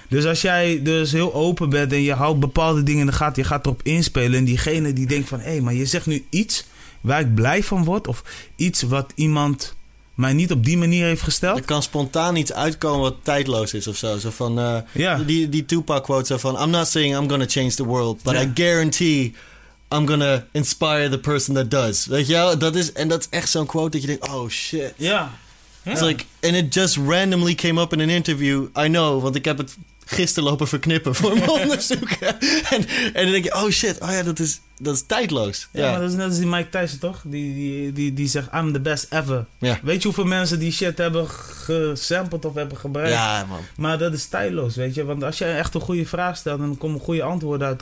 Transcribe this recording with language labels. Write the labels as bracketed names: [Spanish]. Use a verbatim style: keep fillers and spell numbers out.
[Dutch] Dus als jij dus heel open bent en je houdt bepaalde dingen in de gaten... je gaat erop inspelen en diegene die denkt van... hé, hey, maar je zegt nu iets waar ik blij van word... of iets wat iemand... maar niet op die manier heeft gesteld. Er kan spontaan iets uitkomen wat tijdloos is of zo. Zo van, uh, yeah. die, die Tupac-quote zo van... [English] I'm not saying I'm gonna change the world... but yeah. I guarantee I'm gonna inspire the person that does. [Dutch] Weet je wel? Dat is, en dat is echt zo'n quote dat je denkt... oh shit. Ja. Yeah. [English] It's like, and it just randomly came up in an interview. I know, [Dutch] want ik heb het gisteren lopen verknippen voor mijn onderzoek. en, en dan denk je, oh shit, oh ja, dat is, dat is tijdloos. Ja, ja, maar dat is net als die Mike Tyson, toch? Die, die, die, die zegt, [English] I'm the best ever. [Dutch] Ja. Weet je hoeveel mensen die shit hebben gesampled of hebben gebruikt? Ja, man. Maar dat is tijdloos, weet je. Want als jij echt een goede vraag stelt, dan komen goede antwoorden uit.